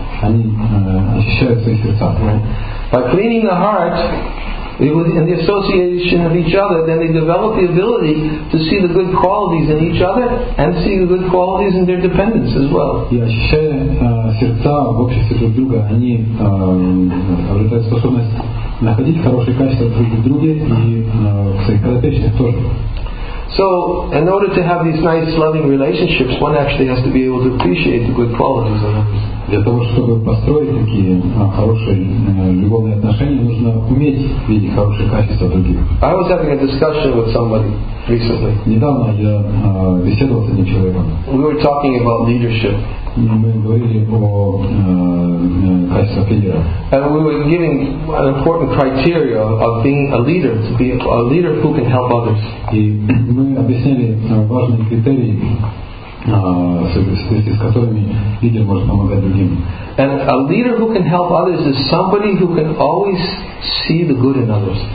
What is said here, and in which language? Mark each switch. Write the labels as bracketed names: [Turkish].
[Russian] Они очищают свои сердца. [English] By cleaning the heart, in the association of each other, then they develop the ability to see the good qualities in each other and see the good qualities in their dependents as well. [Russian] И ощущая сердца в обществе друг друга, они обретают способность находить хорошие качества друг в друге и в своих подопечных тоже. [English] So, in order to have these nice, loving relationships, one actually has to be able to appreciate the good qualities of others. [Russian] Для того, чтобы построить такие хорошие любовные отношения, нужно уметь видеть хорошие качества других. [English] I was having a discussion with somebody recently. [Russian] Недавно я беседовал с одним человеком. [English] We were talking about leadership. [Russian] Мы говорили о качествах лидера. [English] And we were giving an important criteria of being a leader, to be a leader who can help others. [Russian] И мы объясняли важные критерии, с которыми лидер может помогать другим. [English] And a leader who can help others is somebody who can always see the good in others.